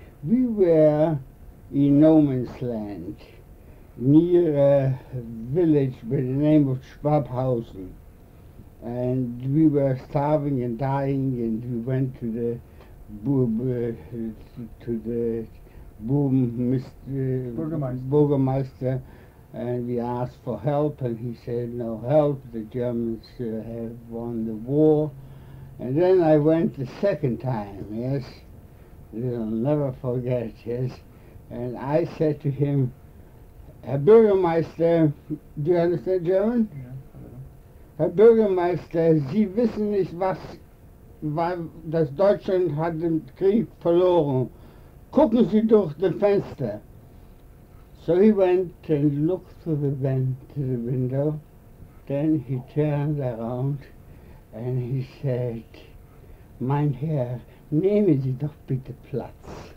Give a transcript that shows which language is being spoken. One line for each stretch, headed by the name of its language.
English: We were in no man's land, near a village by the name of Schwabhausen, and we were starving and dying, and we went to the Burgermeister, and we asked for help, and he said no help, the Germans have won the war. And then I went the second time, yes, I'll never forget, yes. And I said to him, Herr Bürgermeister, do you understand German? Yeah, I know.
German: Herr Bürgermeister, Sie wissen nicht, was, weil das Deutschland hat den Krieg verloren. Gucken Sie durch das Fenster.
English: So he went and looked through the window. Then he turned around and he said,
German: Mein Herr, nehmen Sie doch bitte Platz.